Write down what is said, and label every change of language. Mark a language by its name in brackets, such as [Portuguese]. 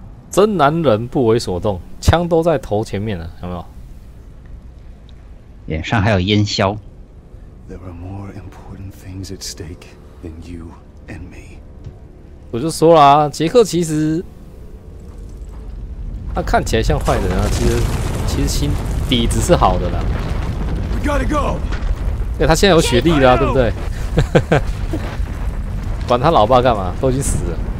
[Chinese] 真男人不为所动，枪都在头前面了，有没有？脸上还有烟硝。 [English] There are more important things at stake. Than you and me. [Chinese] 我就说啦，杰克其实他看起来像坏人啊，其实心底子是好的啦。 [English] We gotta go. [Chinese] 欸，他现在有雪莉啦，对不对？管他老爸干嘛，都已经死了。